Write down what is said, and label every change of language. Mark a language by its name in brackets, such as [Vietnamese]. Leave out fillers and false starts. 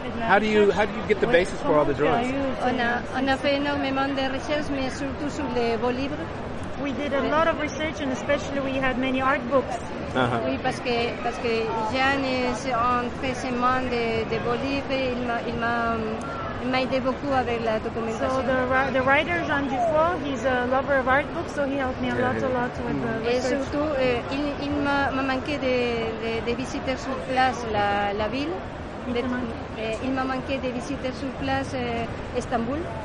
[English] How do you get the basis for all the drawings? [French] On a fait énormément de recherches, mais surtout sur les beaux livres. [English] We did a lot of research, and especially we had many art books. [French] Oui, parce que Jean est en présentement des beaux livres. Il m'a aidé beaucoup avec la documentation. [English] So the writer Jean Dufault, he's a lover of art books, so he helped me a lot with the research. [French] Et surtout, il m'a manqué de visiter sur place la ville. Il m'a manqué de visiter sur place Istanbul.